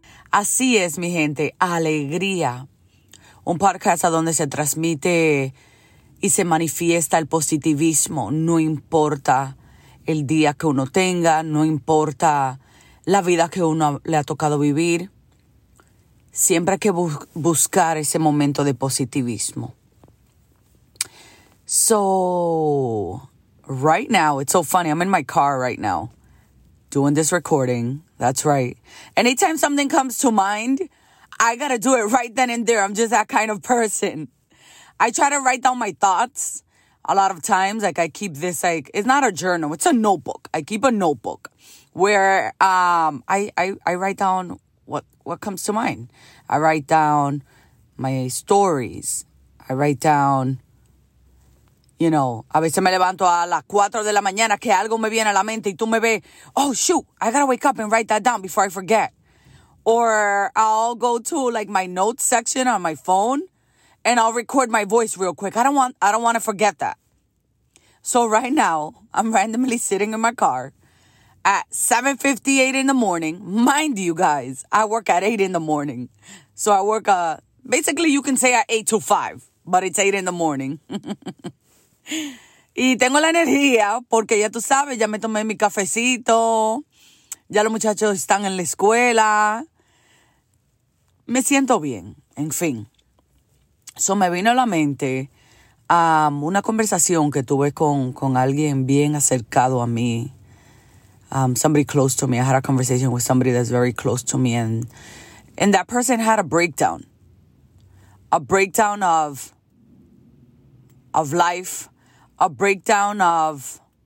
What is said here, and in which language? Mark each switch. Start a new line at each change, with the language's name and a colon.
Spanish: Así es, mi gente, Alegría. Un podcast a donde se transmite y se manifiesta el positivismo. No importa el día que uno tenga, no importa la vida que uno le ha tocado vivir. Siempre hay que buscar ese momento de positivismo.
English: So, right now, it's so funny. I'm in my car right now doing this recording. That's right. Anytime something comes to mind, I gotta do it right then and there. I'm just that kind of person. I try to write down my thoughts a lot of times. Like, I keep this, like, it's not a journal. It's a notebook. I keep a notebook where I write down what comes to mind. I write down my stories. I write down, you know,
Spanish: a veces me levanto a las 4 de la mañana que algo me viene a la mente y tú me ves,
English: oh, shoot, I gotta wake up and write that down before I forget. Or I'll go to, like, my notes section on my phone, and I'll record my voice real quick. I don't want to forget that. So right now, I'm randomly sitting in my car at 7:58 in the morning. Mind you, guys, I work at 8 in the morning. So I work, basically, you can say at 8 to 5, but it's 8 in the morning.
Spanish: Y tengo la energía, porque ya tú sabes, ya me tomé mi cafecito. Ya los muchachos están en la escuela. Me siento bien, en fin. So me vino a la mente una conversación que tuve con alguien bien acercado a mí.
English: Somebody close to me. I had a conversation with somebody that's very close to me. And that person had a breakdown. A breakdown of life. A breakdown of...